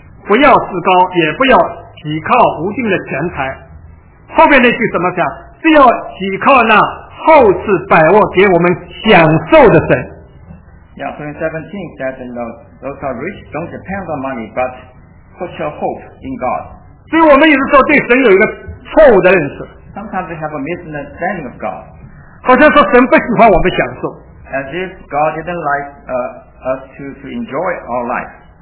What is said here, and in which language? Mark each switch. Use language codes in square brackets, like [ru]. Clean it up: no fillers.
[zh] 我们刚才读的圣经里边，你是不是注意到第十七节里边讲，你要吩咐那些经是付出的人，不要自高，也不要。倚靠无尽的钱财，后面那句怎么讲？是要倚靠那厚赐百物给我们享受的神。 [en] Yeah, verse 17 says, you know, those are rich, don't depend on money, but put your hope in God. [zh] 所以我们有时候对神有一个错误的认识。 [en] Sometimes we have a misunderstanding of God. [zh] 好像说神不喜欢我们享受。 [en] As if God didn't like us to enjoy our life.